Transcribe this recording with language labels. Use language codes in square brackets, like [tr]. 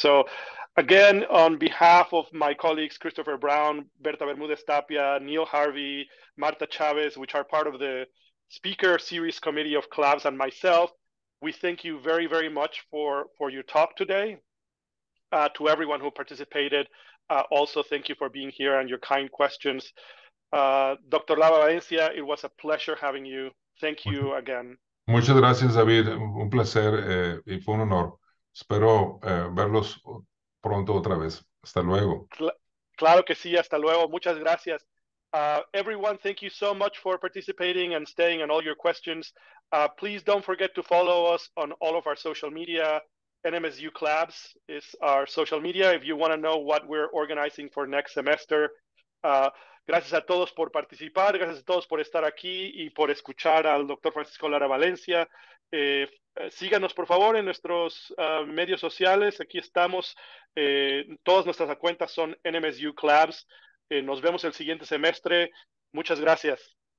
[en] So again, on behalf of my colleagues, Christopher Brown, Berta Bermudez Tapia, Neil Harvey, Marta Chavez, which are part of the speaker series committee of CLABS, and myself, we thank you very, very much for your talk today. To everyone who participated, also thank you for being here and your kind questions. Dr. Lava Valencia, it was a pleasure having you. Thank you again. [es] Muchas gracias, David. Un placer y fue un honor. Espero verlos pronto otra vez. Hasta luego. Claro que sí. Hasta luego. Muchas gracias. [en] Everyone, thank you so much for participating and staying and all your questions. Please don't forget to follow us on all of our social media. NMSU Clubs is our social media if you want to know what we're organizing for next semester. [es] Gracias a todos por participar. Gracias a todos por estar aquí y por escuchar al Dr. Francisco Lara Valencia. Síganos, por favor, en nuestros medios sociales. Aquí estamos. Todas nuestras cuentas son NMSU Clubs. Nos vemos el siguiente semestre. Muchas gracias.